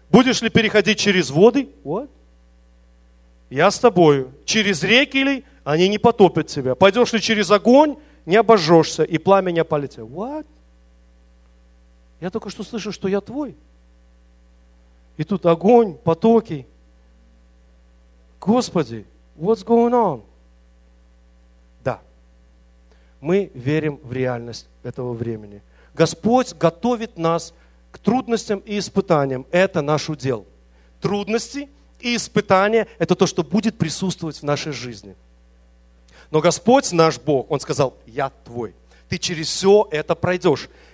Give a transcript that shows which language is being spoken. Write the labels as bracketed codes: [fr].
[ru] Будешь ли переходить через воды? [en] What? [ru] Я с тобою. Через реки ли? Они не потопят тебя. Пойдешь ли через огонь? Не обожжешься, и пламя не опалит тебя. [en] What? [ru] Я только что слышу, что я твой. И тут огонь, потоки. Господи, [en] what's going on? [ru] Да. Мы верим в реальность этого времени. Господь готовит нас к трудностям и испытаниям. Это наш удел. Трудности и испытания – это то, что будет присутствовать в нашей жизни. Но Господь наш Бог, Он сказал, я твой. Ты через все это пройдешь.